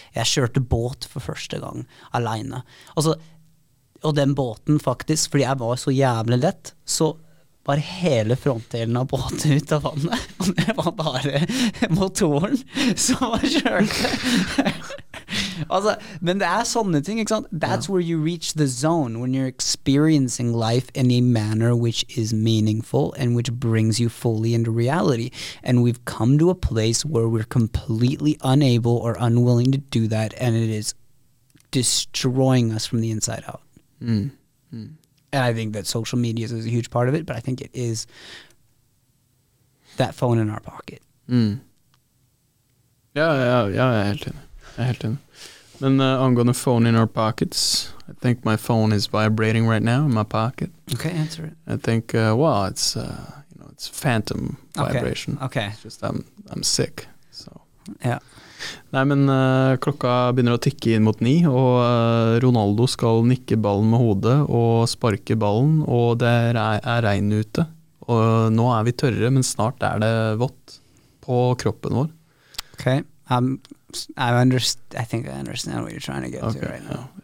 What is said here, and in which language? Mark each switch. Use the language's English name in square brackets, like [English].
[Norwegian] Jeg kjørte båt for første gang, alene. Altså, og den båten faktisk, fordi jeg var så jævlig lett, så var hele frontdelen av båten ut av vannet, og det var bare motoren som var kjørt. Altså, men det er sånne ting, ikke sant? [English] That's where you reach the zone, when you're experiencing life in a manner which is meaningful and which brings you fully into reality. And we've come to a place where we're completely unable or unwilling to do that, and it is destroying us from the inside out. Mm. Mm. And I think that social media is a huge part of it, but I think it is that phone in our pocket. [Norwegian] Mm. Yeah, jeg er helt enig. Jeg er helt enig. Men angående [English] phone in our pockets, I think my phone is vibrating right now in my pocket. Okay, answer it. I think, it's phantom vibration. Okay. It's just I'm sick, so. Yeah. [Norwegian] Nei, men klokka begynner å tikke inn mot 9, og Ronaldo skal nikke ballen med hodet og sparke ballen, og det er regn ute. Og nå er vi tørre, men snart er det vått på kroppen vår. [English] Okay, I think I understand what you're trying to get to right now.